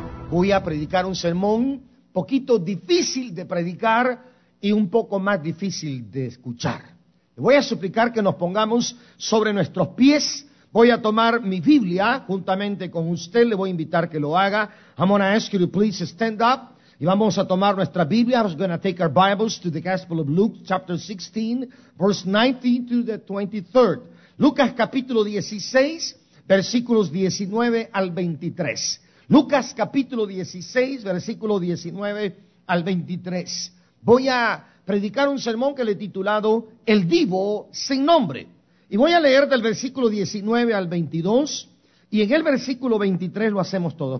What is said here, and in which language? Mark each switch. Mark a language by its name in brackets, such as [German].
[Spanish] Voy a predicar un sermón poquito difícil de predicar y un poco más difícil de escuchar. Voy a suplicar que nos pongamos sobre nuestros pies. Voy a tomar mi Biblia juntamente con usted. Le voy a invitar que lo haga. [English] I'm going to ask you to please stand up. [Spanish] Y vamos a tomar nuestra Biblia. [English] I'm going to take our Bibles to the Gospel of Luke, chapter 16, verse 19 to the 23rd. [Spanish] Lucas capítulo 16, versículos 19 al 23. Lucas capítulo 16, versículo 19 al 23. Voy a predicar un sermón que le he titulado El Divo Sin Nombre. Y voy a leer del versículo 19 al 22. Y en el versículo 23 lo hacemos todos.